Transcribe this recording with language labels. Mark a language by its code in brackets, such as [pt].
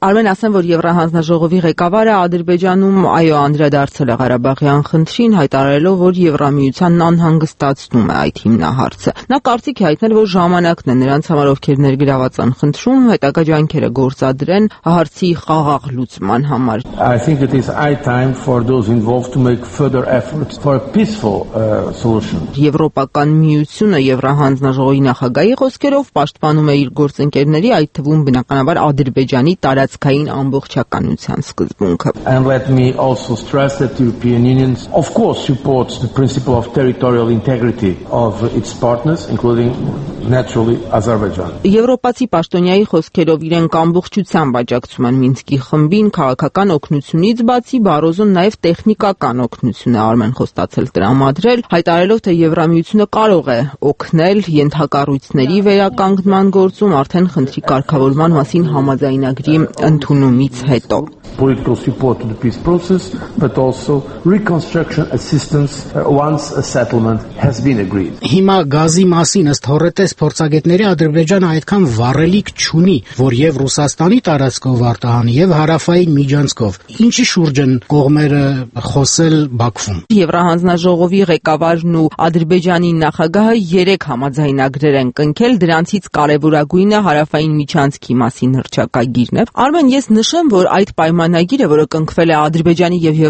[hy] Արմեն, ասեմ, որ Եվրահանձնաժողովի ղեկավարը Ադրբեջանում այո անդրադարձել է Ղարաբաղյան խնդրին, հայտարարելով, որ Եվրամիությանն անհանգստացնում է այդ հիմնահարցը։ Նա կարծիք է հայտնել, որ ժամանակն է նրանց համար, ովքեր ներգրաված են խնդրում, հետագա ջանքերը գործադրեն հարցի խաղաղ լուծման համար։ [en] I think it is high time for those involved to make further efforts for a peaceful solution. [hy] Եվրոպական միությունը Եվրահանձնաժողովի նախագահի խոսքերով պաշտպանում է իր գործընկերների, այդ թվում բնականաբար Ադրբեջանի տարածքային ամբողջականության սկզբունքը։ [en] And let me also stress that the European Union of course supports the principle of territorial integrity of its partners including naturally Azerbaijan. [hy] Եվրոպացի պաշտոնյայի խոսքերով իրենք ամբողջությամբ աջակցում են Մինսկի խմբին, քաղաքական օգնությունից բացի Բարոզուն նաև տեխնիկական օգնություն է արմեն խոստացել դրամադրել, հայտարելով, թե Եվրամիությունը կարող է օգնել ենթակառույցների վերականգնման գործում արդեն խնդրի կարգավորման մասին համաձայնագրի ընդունումից հետո։ [en] Political support to the peace process, but also reconstruction assistance once a settlement has been agreed. [hy] Հիմա գազի մասին ըստ հորետես փորձագետների Ադրբեջանը այդքան վառելիք չունի, որ եւ Ռուսաստանի տարածքով արտահանի եւ հարավային միջանցքով։ Ինչի շուրջ են կողմերը խոսել Բաքվում։ Եվրահանձնաժողովի ղեկավարն ու Ադրբեջանի նախագահը երեք համաձայնագրեր են կնքել, դրանցից կարևորագույնը հարավային միջանցքի մասին հռչակագիրն է։ Արմեն, ես նշեմ, որ այդ պայմանագիրը, որը կնքվել է Ադրբեջանի եւ